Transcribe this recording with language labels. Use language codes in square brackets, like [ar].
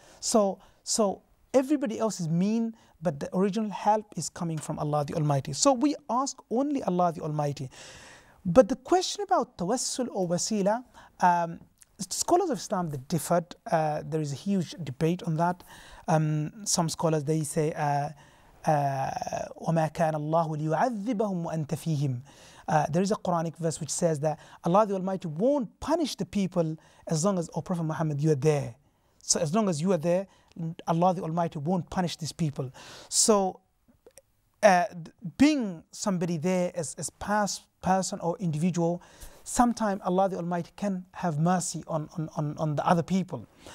[en] So everybody else is mean, but the original help is coming from Allah the Almighty. So we ask only Allah the Almighty. But the question about tawassul or wasila, scholars of Islam, they differed. There is a huge debate on that. Some scholars, they say, [ar] وَمَا كَانَ اللَّهُ لِيُعَذِّبَهُمْ وَأَنْتَ فِيهِمْ. [en] There is a Quranic verse which says that Allah the Almighty won't punish the people as long as, oh Prophet Muhammad, you are there. So as long as you are there, Allah the Almighty won't punish these people. So being somebody there as past person or individual, sometimes Allah the Almighty can have mercy on the other people.